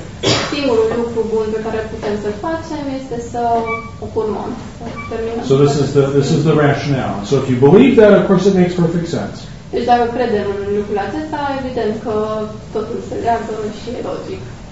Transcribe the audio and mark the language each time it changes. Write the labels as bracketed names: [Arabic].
[Romanian] Singurul lucru bun pe care putem să-l facem este să o curmăm. [English] So this is the rationale. So if you believe that, of course it makes perfect sense. [Romanian] Deci dacă credem în lucrul acesta, evident că totul se leagă și e logic.